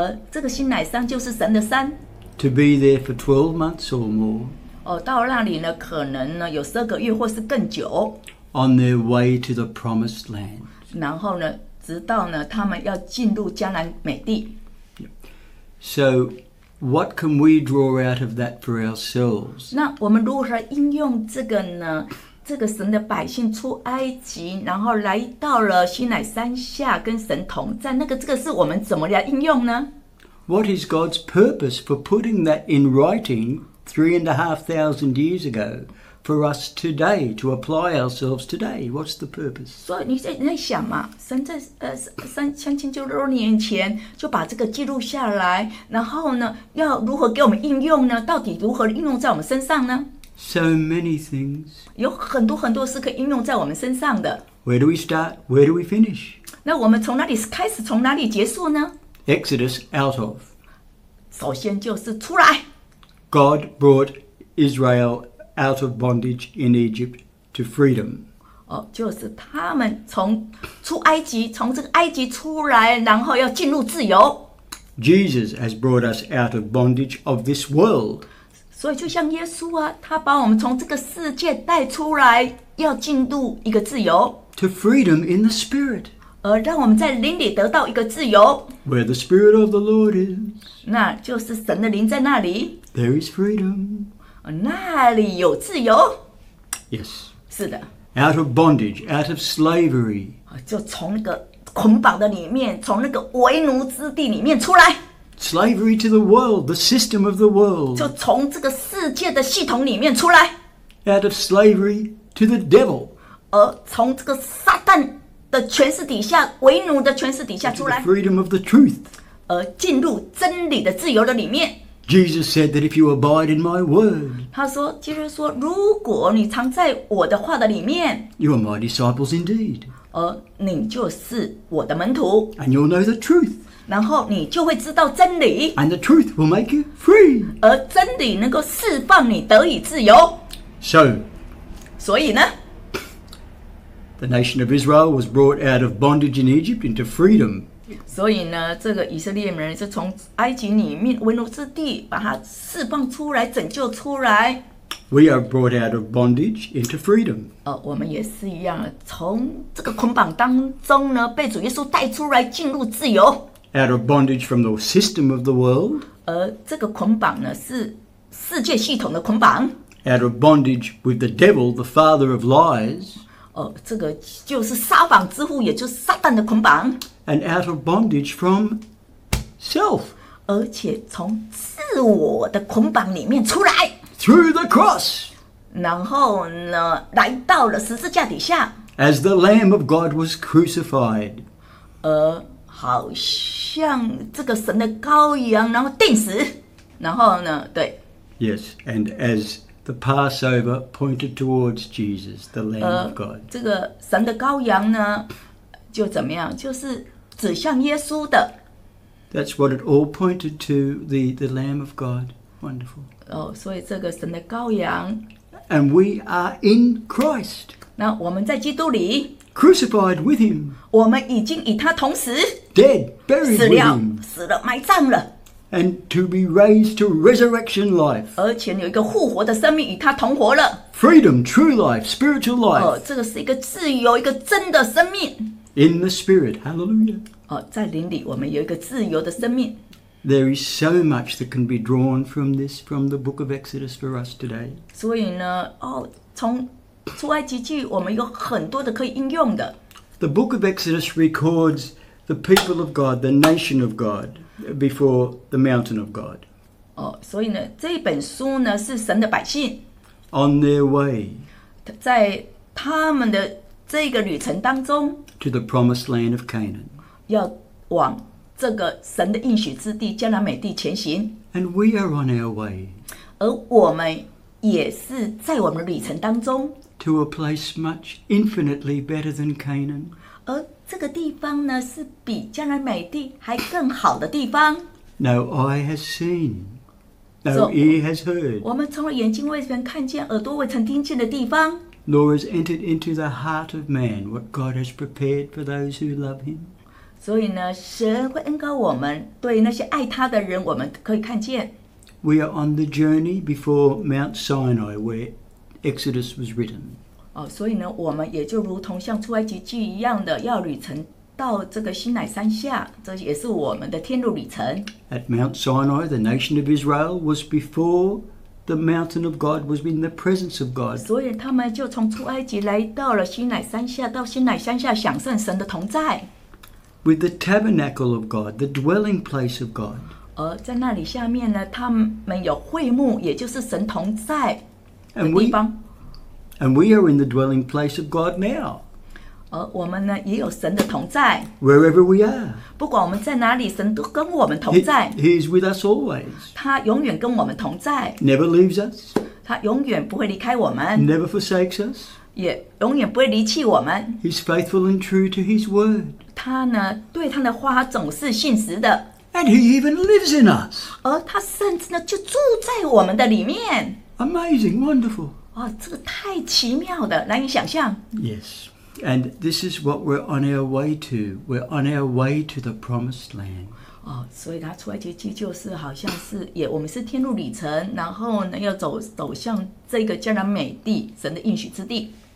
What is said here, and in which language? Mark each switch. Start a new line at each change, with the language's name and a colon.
Chinese: 这个西乃山就是神的山。
English: To be there for 12 months or more.
Chinese: 哦，到那里呢，可能呢有十二个月或是更久。
English: On their way to the promised land.
Chinese: 然后呢？直到呢，他们要进入迦南美地。
English: So, what can we draw out of that for ourselves?
Chinese: 那我们如何应用这个呢？这个神的百姓出埃及，然后来到了西乃山下，跟神同在。那个这个是我们怎么来应用呢
English: ？What is God's purpose for putting that in writing 3,500 years ago? For us today to apply ourselves today, what's the purpose?
Chinese: So, 你在想嘛？神在3,600年前就把这个记录下来，然后呢，要如何给我们应用呢？到底如何应用在我们身上呢
English: ？So many things.
Chinese: 有很多很多事可以应用在我们身上的。
English: Where do we start? Where do we finish?
Chinese: 那我们从哪里开始？从哪里结束呢
English: ？Exodus out of.
Chinese: 首先就是出来。
English: God brought Israel. Out of bondage in Egypt to freedom.
Chinese: 哦，就是他们从出埃及，从这个埃及出来，然后要进入自由。
English: Jesus has brought us out of bondage of this world.
Chinese: 所以就像耶稣啊，他把我们从这个世界带出来，要进入一个自由。
English: To freedom in the Spirit.
Chinese: 让我们在灵里得到一个自由。
English: Where the Spirit of the Lord is.
Chinese: 那就是神的灵在那里。
English: There is freedom.
Chinese: 那里有自由
English: ？Yes，
Chinese: 是的。
English: Out of bondage, out of slavery，
Chinese: 就从那个捆绑的里面，从那个为奴之地里面出来。
English: Slavery to the world, the system of the world，
Chinese: 就从这个世界的系统里面出来。
English: Out of slavery to the devil，
Chinese: 而从这个撒旦的权势底下，为奴的权势底下出来。
English: Freedom of the truth，
Chinese: 而进入真理的自由的里面。
English: Jesus said that if you abide in my word,
Chinese: 他说，基督说，如果你藏在我的话的里面
English: ，you are my disciples indeed.
Chinese: 你就是我的门徒。
English: And you'll know the truth.
Chinese: 然后你就会知道真理。
English: And the truth will make you free.
Chinese: 而真理能够释放你得以自由。
English: So,
Chinese: 所以呢
English: ，the nation of Israel was brought out of bondage in Egypt into freedom.
Chinese: 所以呢，这个以色列人是从埃及里面为奴之地把他释放出来，拯救出来。
English: We are brought out of bondage into freedom.
Chinese: 我们也是一样，从这个捆绑当中呢，被主耶稣带出来，进入自由。
English: Out of bondage from the system of the world.
Chinese: 这个捆绑呢是世界系统的捆绑。
English: Out of bondage with the devil, the father of lies.
Chinese: 这个就是撒谎之父，也就是撒旦的捆绑。
English: And out of bondage from self.
Chinese: 而且从自我的捆绑里面出来。
English: Through the cross.
Chinese: 然后呢，来到了十字架底下。
English: As the Lamb of God was crucified.
Chinese: 好像这个神的羔羊，然后钉死。然后呢，对。
English: Yes, and as the Passover pointed towards Jesus, the Lamb of God.
Chinese: 这个神的羔羊呢，就怎么样，就是。指向耶稣的。
English: That's what it all pointed to, the Lamb of God. Wonderful.
Chinese: 所以这个神的羔羊。
English: And we are in Christ.
Chinese: 那我们在基督里。
English: Crucified with him.
Chinese: 我们已经与他同死。
English: Dead, buried with him.
Chinese: 死了，埋葬了。
English: And to be raised to resurrection life.
Chinese: 而且有一个复活的生命与他同活了。
English: Freedom, true life, spiritual life.
Chinese: 这个是一个自由，一个真的生命。
English: In the spirit, hallelujah.
Chinese: 在灵里我们有一个自由的生命。
English: There is so much that can be drawn from this, from the book of Exodus for us today.
Chinese: 所以呢，从出埃及记我们有很多的可以应用的。
English: The book of Exodus records the people of God, the nation of God, before the mountain of God.
Chinese: 所以呢，这本书呢是神的百姓。
English: On their way.
Chinese: 在他们的这个旅程当中。
English: To the promised land of Canaan.
Chinese: 要往这个神的应许之地迦南美地前行。
English: And we are on our way.
Chinese: 而我们也是在我们旅程当中。
English: To a place much infinitely better than Canaan.
Chinese: 而这个地方呢，是比迦南美地还更好的地方。
English: No eye has seen, no ear has heard.
Chinese: 我们从眼睛未曾看见，耳朵未曾听见的地方。
English: Nor has entered into the heart of man what God has prepared for those who love Him.
Chinese: 所以呢，神会恩膏我们，对那些爱他的人，我们可以看见。
English: We are on the journey before Mount Sinai, where Exodus was written.
Chinese: 所以呢，我们也就如同像出埃及记一样的，要旅程到这个西乃山下，这也是我们的天路旅程。
English: At Mount Sinai, the nation of Israel was before the mountain of God was in the presence of God.
Chinese: 所以他们就从出埃及来到了西乃山下，到西乃山下享受神的同在。
English: With the tabernacle of God, the dwelling place of God.
Chinese: 而在那里下面呢，他们有会幕，也就是神同在。
English: And we are in the dwelling place of God now.
Chinese: 我们呢也有神的同在。
English: Wherever we are.
Chinese: 不管我们在哪里，神都跟我们同在。
English: He is with us always.
Chinese: 他永远跟我们同在。
English: Never leaves us.
Chinese: 他永远不会离开我们。
English: Never forsakes us.
Chinese: 也永远不会离弃我们。
English: He's faithful and true to His word.
Chinese: 他呢对他的话总是信实的。
English: And He even lives in us.
Chinese: 而他甚至呢就住在我们的里面。
English: Amazing, wonderful.
Chinese: 这个太奇妙的，难以想象。
English: Yes, and this is what we're on our way to. We're on our way to the promised land.
Chinese: 所以它出埃及记就是好像是也我们是天路旅程，然后呢要走向这个迦南美地，神的应许之地。